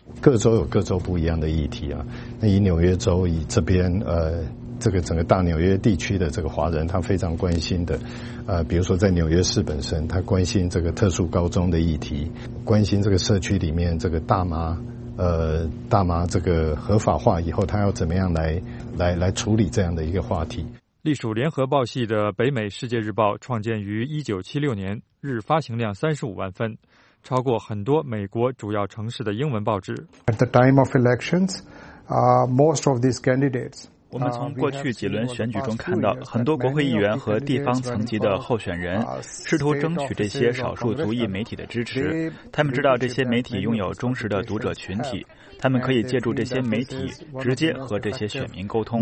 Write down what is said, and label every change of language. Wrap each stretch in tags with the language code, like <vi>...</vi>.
<zh>各州有各州不一样的议题啊，那以纽约州以这边这个整个大纽约地区的这个华人，他非常关心的，比如说在纽约市本身，他关心这个特殊高中的议题，关心这个社区里面这个大麻这个合法化以后，他要怎么样来处理这样的一个话题。隶属联合报系的北美世界日报创建于1976年，日发行量35万份，超过很多美国主要城市的英文报纸。</zh> <en>At the time of elections, most of these candidates.</en> <zh>我们从过去几轮选举中看到，很多国会议员和地方层级的候选人试图争取这些少数族裔媒体的支持。他们知道这些媒体拥有忠实的读者群体，他们可以借助这些媒体直接和这些选民沟通。</zh>